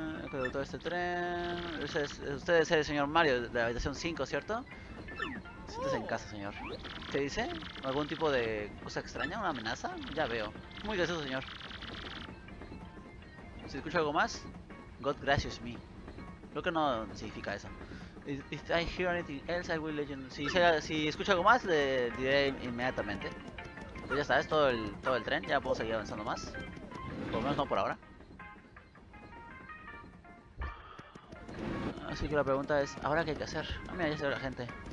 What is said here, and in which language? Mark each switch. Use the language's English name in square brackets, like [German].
[Spanish] Conductor de este tren. Usted es el señor Mario de la habitación 5, ¿cierto? Siéntese en casa, señor. ¿Qué dice? ¿Algún tipo de cosa extraña? ¿Una amenaza? Ya veo. Muy gracioso, señor. ¿Se escucha algo más? [English] God gracious me. [Spanish] Creo que no significa eso. [English] If I hear anything else, I will let you know. [Spanish] Si escucho algo más, le diré inmediatamente. Pues ya está, es todo el tren, ya puedo seguir avanzando más. Por lo menos no por ahora. Así que la pregunta es, ¿ahora qué hay que hacer? Ah, mira, ya se ve la gente.